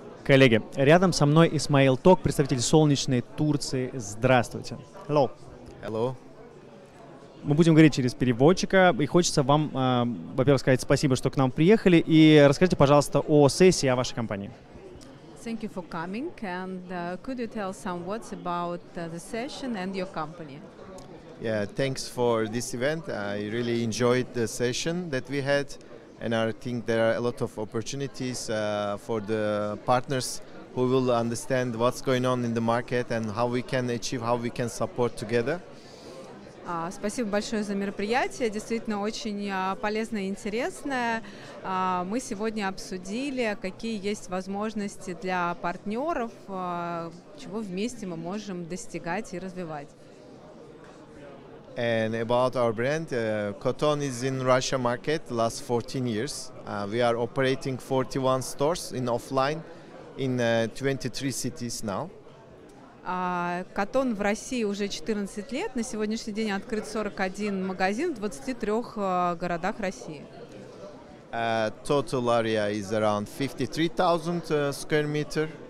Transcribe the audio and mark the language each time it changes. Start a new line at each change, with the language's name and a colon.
Russian: Коллеги, рядом со мной Исмаил Ток, представитель солнечной Турции. Здравствуйте.
English: Hello. Hello.
Russian: Мы будем говорить через переводчика, и хочется вам, во-первых, сказать спасибо, что к нам приехали, и расскажите, пожалуйста, о сессии, о вашей компании.
English: Thank you for coming, and could you tell some words about the session and your company? Yeah, thanks for this event. I really enjoyed the session that we had, and I think there are a lot of opportunities for the partners who will understand what's going on in the market and how we can achieve, how we can support together.
Russian: Спасибо большое за мероприятие, действительно очень полезное и интересное. Мы сегодня обсудили, какие есть возможности для партнеров, чего вместе мы можем достигать и развивать.
English: And about our brand, Coton is in Russia market last 14 years. We are operating 41 stores in offline in 23 cities now.
Russian: Coton в России уже 14 лет. На сегодняшний день открыт 41 магазин в 23 городах России.
English: Total area is around 53,000 square meter.